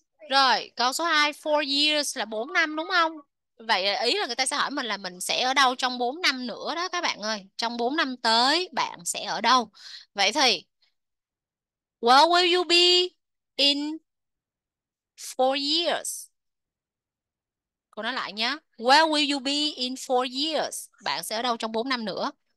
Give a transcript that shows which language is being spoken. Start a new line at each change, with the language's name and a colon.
Vietnamese: Rồi, câu số 2, 4 years là 4 năm đúng không? Vậy ý là người ta sẽ hỏi mình là mình sẽ ở đâu trong 4 năm nữa đó các bạn ơi. Trong 4 năm tới bạn sẽ ở đâu? Vậy thì
English: where will you be in 4 years?
Vietnamese: Cô nói lại nhé.
English: Where will you be in 4 years?
Vietnamese: Bạn sẽ ở đâu trong 4 năm nữa?